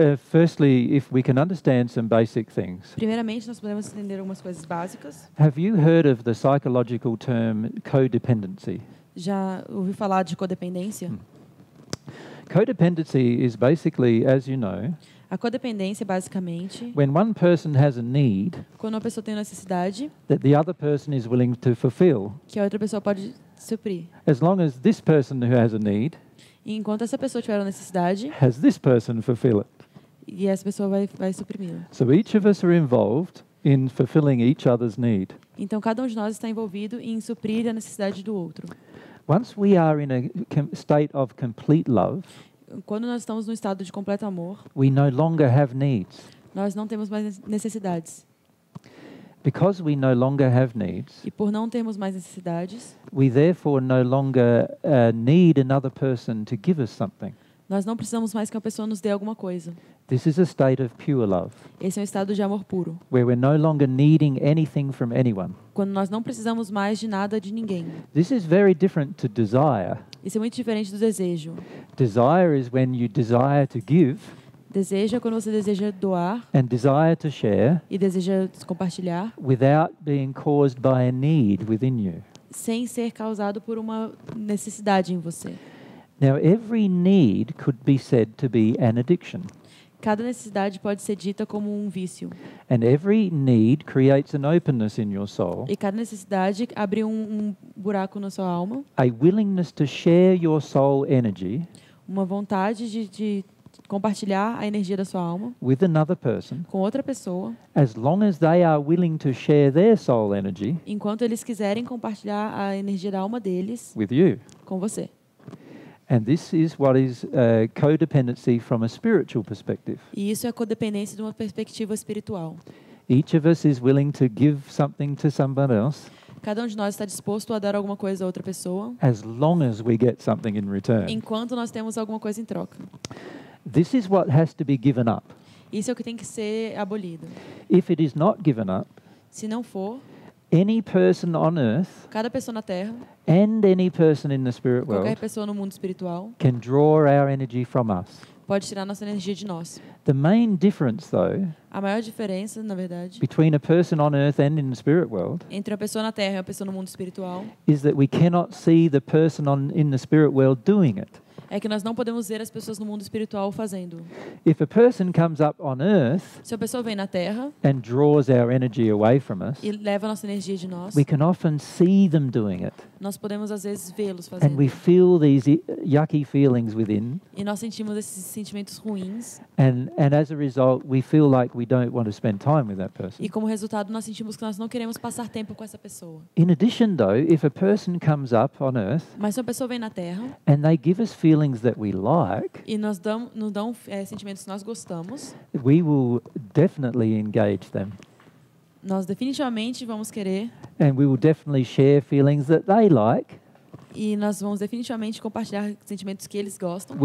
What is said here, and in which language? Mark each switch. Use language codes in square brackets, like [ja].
[en] Firstly, if we can understand some basic things. [pt] Primeiramente, nós podemos entender algumas coisas básicas. [en] Have you heard of the psychological term codependency? [pt] Já ouviu falar de codependência? [en] Codependency is basically, as you know, [pt] a codependência é basicamente [en] when one person has a need, [pt] quando uma pessoa tem uma necessidade, [en] that the other person is willing to fulfill, [pt] que a outra pessoa pode suprir. [en] As long as this person who has a need, [pt] enquanto essa pessoa tiver uma necessidade, [en] has this person fulfill it. [pt] E essa pessoa vai suprimir. [en] So each of us are involved in fulfilling each other's need. [pt] Então cada um de nós está envolvido em suprir a necessidade do outro. [en] Once we are in a state of complete love, [pt] quando nós estamos num estado de completo amor, [en] we no longer have needs. [pt] Nós não temos mais necessidades. [en] Because we no longer have needs, [pt] e por não termos mais necessidades, [en] we therefore no longer need another person to give us something. [pt] Nós não precisamos mais que uma pessoa nos dê alguma coisa. [en] This is a state of pure love. [pt] Esse é um estado de amor puro. [en] Where we're no longer needing anything from anyone. [pt] Quando nós não precisamos mais de nada de ninguém. [en] This is very different to desire. [pt] Isso é muito diferente do desejo. [en] Desire is when you desire to give. [pt] Deseja quando você deseja doar. [en] And desire to share. [pt] E deseja compartilhar. [en] Without being caused by a need within you. [pt] Sem ser causado por uma necessidade em você. [en] Now every need could be said to be an addiction. [pt] Cada necessidade pode ser dita como um vício. [en] And every need creates an openness in your soul. [pt] E cada necessidade abre um buraco na sua alma. [en] A willingness to share your soul energy. [pt] uma vontade de compartilhar a energia da sua alma [en] with another person, [pt] com outra pessoa, [en] as long as they are willing to share their soul energy, [pt] enquanto eles quiserem compartilhar a energia da alma deles [en] with you. [pt] Com você. [en] And this is what is codependency from a spiritual perspective. [pt] E isso é codependência de uma perspectiva espiritual. [en] Each of us is willing to give something to someone else. [pt] Cada um de nós está disposto a dar alguma coisa a outra pessoa. [en] As long as we get something in return. [pt] Enquanto nós temos alguma coisa em troca. [en] This is what has to be given up. [pt] Isso é o que tem que ser abolido. [en] If it is not given up, [pt] se não for, [en] any person on earth, [pt] cada pessoa na Terra, [en] and any person in the spirit world, [pt] qualquer pessoa no mundo espiritual, [en] can draw our energy from us. [pt] Pode tirar nossa energia de nós. [en] The main difference, though, [pt] a maior diferença, na verdade, [en] between a person on earth and in the spirit world, [pt] entre a pessoa na Terra e a pessoa no mundo espiritual, [en] is that we cannot see the person on in the spirit world doing it. [pt] É que nós não podemos ver as pessoas no mundo espiritual fazendo. [en] If a person comes up on earth, [pt] se a pessoa vem na Terra, [en] and draws our energy away from us, [pt] e leva a nossa energia de nós, [en] we can often see them doing it. [pt] Nós podemos às vezes vê-los fazendo. [en] And we feel these yucky feelings within. [pt] E nós sentimos esses sentimentos ruins. [en] And as a result, we feel like we don't want to spend time with that person. [pt] E como resultado, nós sentimos que nós não queremos passar tempo com essa pessoa. [en] In addition, though, if a person comes up on earth, [pt] mas se uma pessoa vem na Terra, [en] and they give us feelings that we like, [pt] e nos dão sentimentos que nós gostamos, [en] we will definitely engage them. [pt] Nós definitivamente vamos querer. [en] And we will definitely share feelings that they like. [pt] E nós vamos definitivamente compartilhar sentimentos que eles gostam.